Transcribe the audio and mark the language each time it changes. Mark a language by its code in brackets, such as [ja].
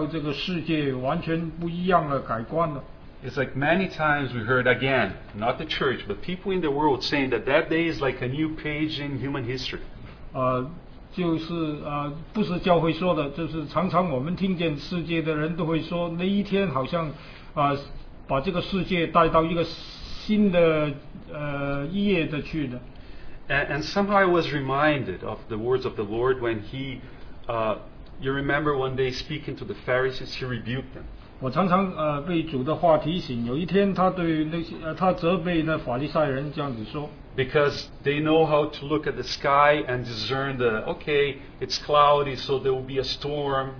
[zh] 是在不是教会说的，是世界的人说的，就是九一这个事情，这令到这个世界完全不一样了，改观了。 [en] It's like many times we heard again, not the church, but people in the world saying that that day is like a new page in human history. [zh] 就是不是教会说的，就是常常我们听见世界的人都会说那一天好像把这个世界带到一个新的页的去的。 [en] And somehow I was reminded of the words of the Lord when he, you remember one day speaking to the Pharisees, he rebuked them. [zh] 我常常被主的话提醒，有一天他责备那法利赛人这样子说。 [en] Because they know how to look at the sky and discern the, okay, it's cloudy, so there will be a storm.